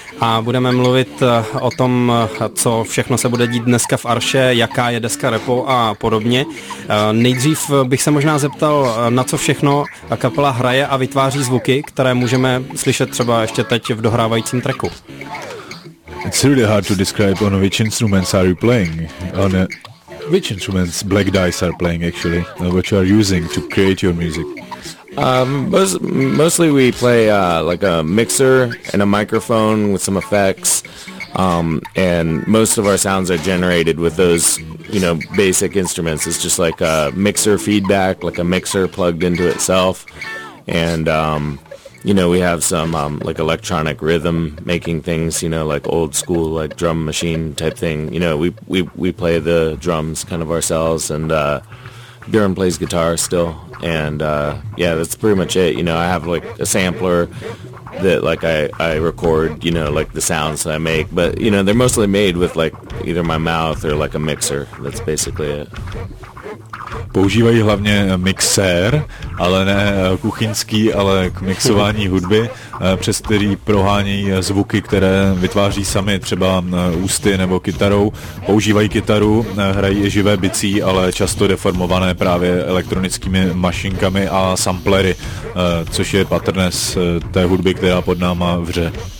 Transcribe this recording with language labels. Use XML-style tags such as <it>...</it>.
<cs>A budeme mluvit o tom, co všechno se bude dít dneska v Arše, jaká je deska Repo a podobně. Nejdřív bych se možná zeptal, na co všechno kapela hraje a vytváří zvuky, které můžeme slyšet třeba ještě teď v dohrávajícím tracku.</cs> <en>It's really hard to describe on which instruments are you playing. On which instruments Black Dice are playing actually, which are using to create your music. Mostly we play like a mixer and a microphone with some effects, and most of our sounds are generated with those, you know, basic instruments. It's just like a mixer feedback, like a mixer plugged into itself, and you know, we have some like electronic rhythm making things, you know, like old school, like drum machine type thing. You know, we play the drums kind of ourselves, and Bjorn plays guitar still. And yeah, that's pretty much it. You know, I have like a sampler that like I record, you know, like the sounds that I make, but you know, they're mostly made with like either my mouth or like a mixer. That's basically it.</en> <cs>Používají hlavně mixér, ale ne kuchyňský, ale k mixování hudby, přes který prohánějí zvuky, které vytváří sami třeba ústy nebo kytarou. Používají kytaru, hrají i živé bicí, ale často deformované právě elektronickými mašinkami a samplery, což je patrné z té hudby, která pod náma vře.</cs>